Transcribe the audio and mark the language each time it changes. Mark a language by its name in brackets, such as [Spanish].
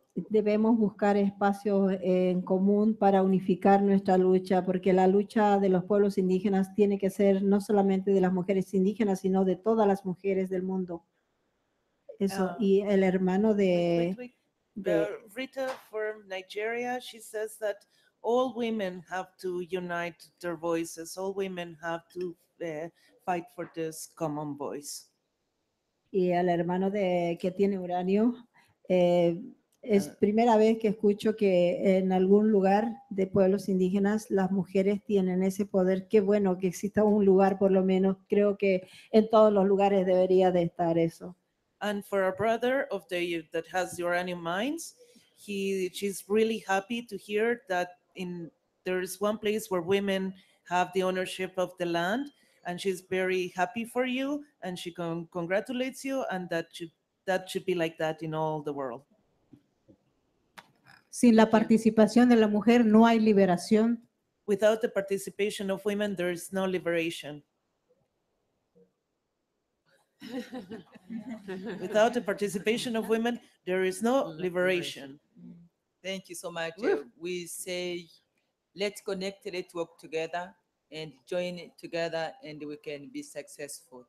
[Spanish] Debemos buscar espacios en común para unificar nuestra lucha, porque la lucha de los pueblos indígenas tiene que ser no solamente de las mujeres indígenas, sino de todas las mujeres del mundo. Eso, y el hermano de... [English] Rita from Nigeria, she says that all women have to unite their voices, all women have to fight for this common voice. [Spanish] Y el hermano de que tiene uranio, es primera vez que escucho que en algún lugar de pueblos indígenas las mujeres tienen ese poder. Qué bueno que exista un lugar, por lo menos. Creo que en todos los lugares debería de estar eso. [English] And for a brother of the that has uranium mines, she's really happy to hear that in there is one place where women have the ownership of the land, and she's very happy for you, and she congratulates you, and that should be like that in all the world. [Spanish] Sin la participación de la mujer no hay liberación. [English] Without the participation of women, there is no liberation. Without the participation of women, there is no liberation. Thank you so much. We say, let's connect, let's work together, and join together, and we can be successful.